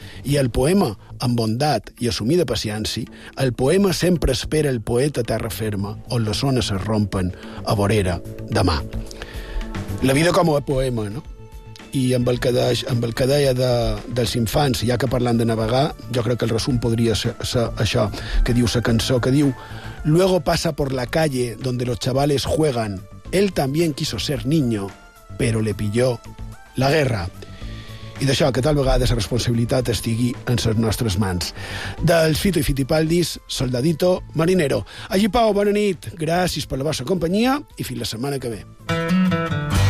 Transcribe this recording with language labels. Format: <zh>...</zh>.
<ca>I el poema, amb bondat i assumida paciència, el poema sempre espera el poeta terra ferma on les ones es rompen a vorera de mà. La vida com a poema, no? I amb el que deia dels infants, ja que parlant de navegar, jo crec que el resum podria ser això que diu la cançó, que diu:</ca> <es>luego pasa por la calle donde los chavales juegan. Él también quiso ser niño, pero le pilló la guerra.</es> <ca>I d'això, que tal vegada la responsabilitat estigui en les nostres mans. Dels Fito i Fitipaldis, Soldadito Marinero. Allí, Pau, bona nit. Gràcies per la vostra companyia i fins la setmana que ve.</ca>